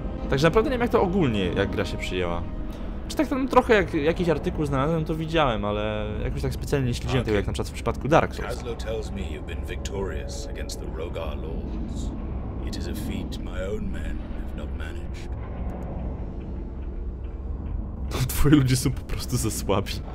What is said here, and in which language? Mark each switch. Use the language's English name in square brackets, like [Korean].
[Polish] Także naprawdę nie wiem, jak to ogólnie, jak gra się przyjęła. Czy tak tam trochę jak jakiś artykuł znalazłem, to widziałem, ale jakoś tak specjalnie nie śledziłem tego, jak na przykład w przypadku Dark Souls. [English] Caslo tells me you've been victorious against the Rogar Lords. It is a feat my own men have not managed. [Polish] Twoi ludzie są po prostu za słabi.